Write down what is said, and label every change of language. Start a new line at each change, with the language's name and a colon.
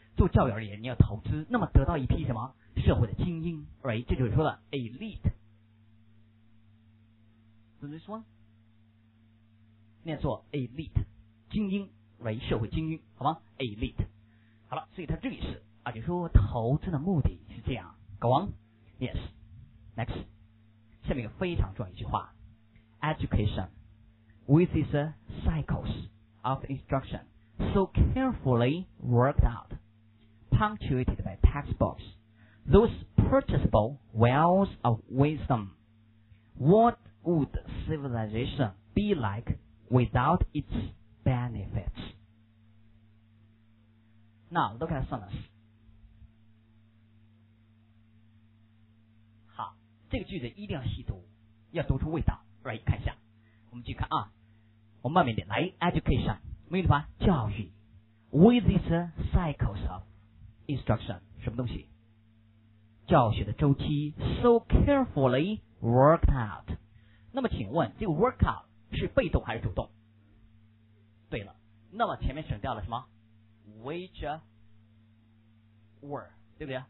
Chinese: 做教育而言，你要投资，那么得到一批什么社会的精英，right？ 这就是说的 elite，尊双，念作 elite 精英，为社会精英，好吗？ elite 好了，所以他这个意思啊，就说投资的目的是这样。
English: go on yes next
Chinese: 下面一个非常重要一句话，
English: education with its cycles of instruction so carefully worked out punctuated by textbooks those purchasable wells of wisdom what would civilization be like without its benefits now look at some of this
Chinese: 这个句子一定要细读，要读出味道。来看一下，我们继续看啊，我们慢慢一点来。
English: Education，
Chinese: 明白吧？教育。
English: With its cycles of instruction，
Chinese: 什么东西？教学的周期。
English: So carefully worked out。
Chinese: 那么请问，这个 work out 是被动还是主动？对了，那么前面省掉了什么 ？
English: Which were，
Chinese: 对不对？